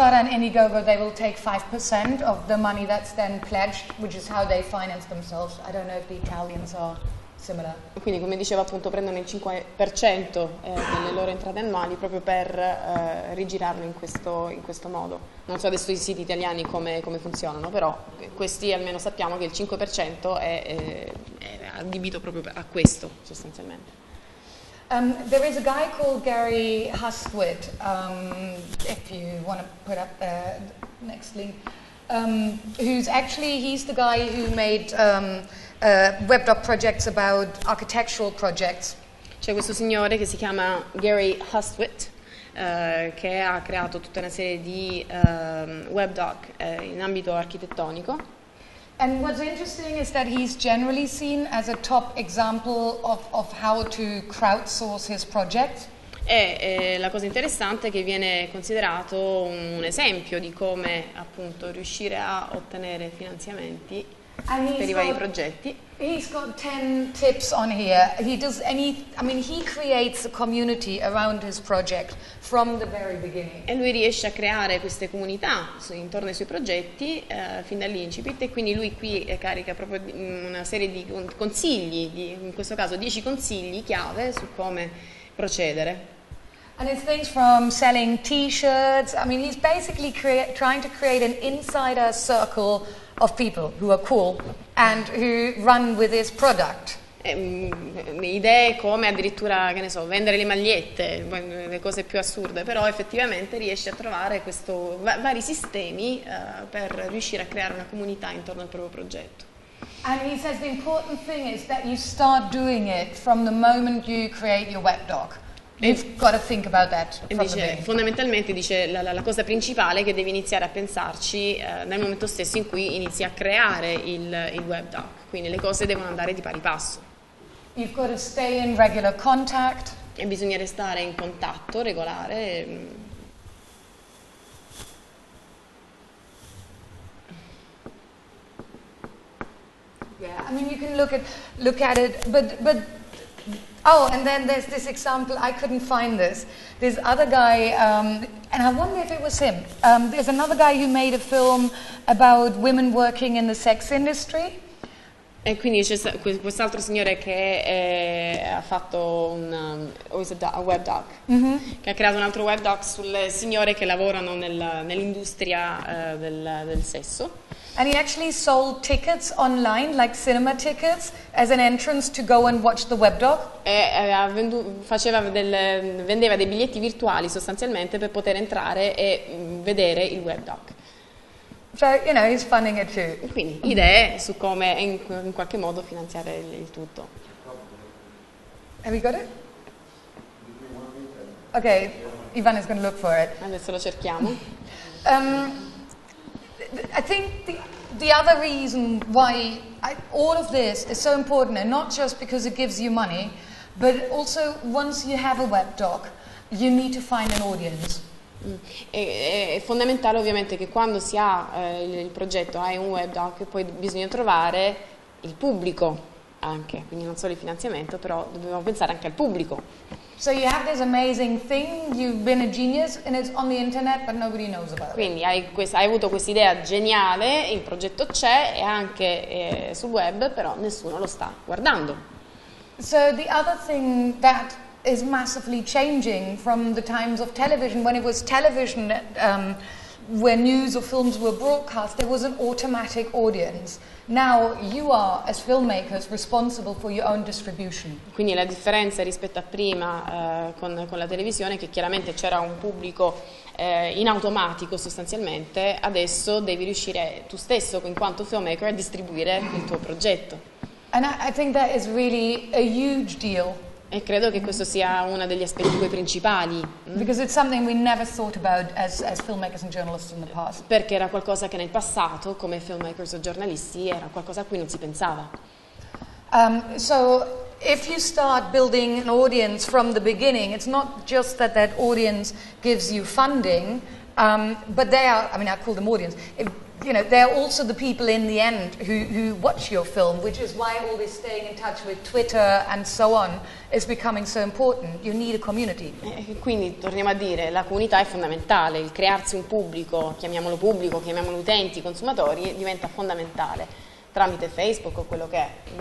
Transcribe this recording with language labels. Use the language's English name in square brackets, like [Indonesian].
[English] Indiegogo, they will take 5% of the money that's then pledged, which is how they finance themselves. I don't know if the Italians are similar. [Italian] Quindi, come diceva appunto, prendono il 5% delle loro entrate annuali proprio per rigirarlo in questo modo. Non so adesso i siti italiani come funzionano, però questi almeno sappiamo che il 5% è adibito proprio a questo, sostanzialmente. [English] There is a guy called Gary Huswit, if you want to put up the next link, he's the guy who made webdoc projects about architectural projects. [Italian] C'è questo signore che si chiama Gary Huswit, che ha creato tutta una serie di webdoc in ambito architettonico. [English] And what's interesting is that he's generally seen as a top example of how to crowdsource his project. [Italian] E la cosa interessante è che viene considerato un esempio di come appunto riuscire a ottenere finanziamenti per i vari progetti. [English] He's got 10 tips on here. He creates a community around his project from the very beginning. [Italian] E lui riesce a creare queste comunità intorno ai suoi progetti fin dall'incipit, e quindi lui qui carica proprio una serie di consigli, in questo caso 10 consigli chiave su come procedere. [English] And it's things from selling t-shirts. I mean, he's basically trying to create an insider circle of people who are cool and who run with his product. [Italian] Idee come addirittura, che ne so, vendere le magliette, le cose più assurde, però effettivamente riesce a trovare questo vari sistemi per riuscire a creare una comunità intorno al proprio progetto. [English] And he says the important thing is that you start doing it from the moment you create your webdoc. You've got to think about that. [Italian] Dice, fondamentalmente dice la cosa principale è che devi iniziare a pensarci nel momento stesso in cui inizi a creare il webdoc. Quindi le cose devono andare di pari passo. [English] You've got to stay in regular contact. [Italian] E bisogna restare in contatto regolare. [English] Yeah, I mean you can look at it, but. Oh, and then there's this example, I couldn't find this. This other guy, and I wonder if it was him. There's another guy who made a film about women working in the sex industry. [Italian] E quindi c'è quest'altro signore che ha fatto un webdoc, mm-hmm. che ha creato un altro webdoc sulle signore che lavorano nell'industria del sesso. [English] And he actually sold tickets online, like cinema tickets, as an entrance to go and watch the webdoc. [Italian] Vendeva dei biglietti virtuali sostanzialmente per poter entrare e vedere il webdoc. [English] So, you know, he's funding it too. [Italian] Quindi idee su come in qualche modo finanziare il tutto. [English] Have we got it? Okay, Ivan is going to look for it. [Italian] Adesso lo cerchiamo. [English] I think the other reason why all of this is so important, and not just because it gives you money, but also once you have a web doc, you need to find an audience. [Italian] È fondamentale ovviamente che quando si ha il progetto, hai un web doc, poi bisogna trovare il pubblico anche, quindi non solo il finanziamento, però dobbiamo pensare anche al pubblico. [English] So you have this amazing thing, you've been a genius and it's on the internet but nobody knows about it. [Italian] Quindi hai avuto questa idea geniale, il progetto c'è e anche sul web, però nessuno lo sta guardando. [English] So the other thing that is massively changing from the times of television, when it was television where news or films were broadcast, there was an automatic audience. Now you are, as filmmakers, responsible for your own distribution. [Italian] Quindi la differenza rispetto a prima con la televisione è che chiaramente c'era un pubblico in automatico sostanzialmente, adesso devi riuscire tu stesso in quanto filmmaker a distribuire il tuo progetto. [English] And I think that is really a huge deal. [Italian] E credo che questo sia uno degli aspetti più principali. [English] Because it's something we never thought about as filmmakers and journalists in the past. [Italian] Perché era qualcosa che nel passato, come filmmakers o giornalisti, era qualcosa a cui non si pensava. [English] So if you start building an audience from the beginning, it's not just that that audience gives you funding, but they are, I mean, I call them audience. You know, they're also the people in the end who watch your film, which is why always staying in touch with Twitter and so on is becoming so important. You need a community. [Italian] Quindi torniamo a dire, la comunità è fondamentale, il crearsi un pubblico, chiamiamolo utenti, consumatori, diventa fondamentale tramite Facebook o quello che è.